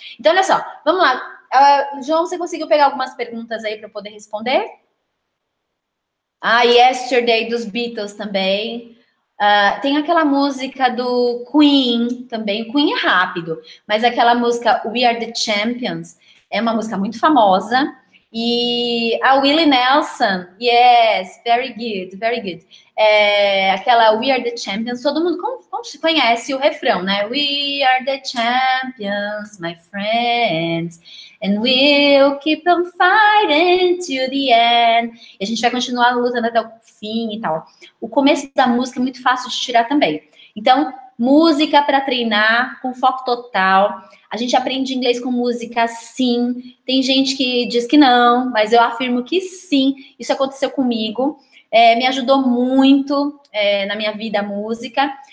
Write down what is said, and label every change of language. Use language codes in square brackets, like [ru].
[pt] Então, olha só, vamos lá. João, você conseguiu pegar algumas perguntas aí para poder responder? Ah, Yesterday, dos Beatles também. Tem aquela música do Queen também. O Queen é rápido, mas aquela música We Are The Champions é uma música muito famosa. E a Willie Nelson, [en] yes, very good, very good. [pt] É, aquela We Are The Champions, todo mundo conhece o refrão, né? [en] We are the champions, my friends, and we'll keep on fighting to the end. [pt] E a gente vai continuar lutando até o fim e tal. O começo da música é muito fácil de tirar também. Então, música para treinar, com foco total. A gente aprende inglês com música, sim. Tem gente que diz que não, mas eu afirmo que sim. Isso aconteceu comigo. É, me ajudou muito na minha vida a música.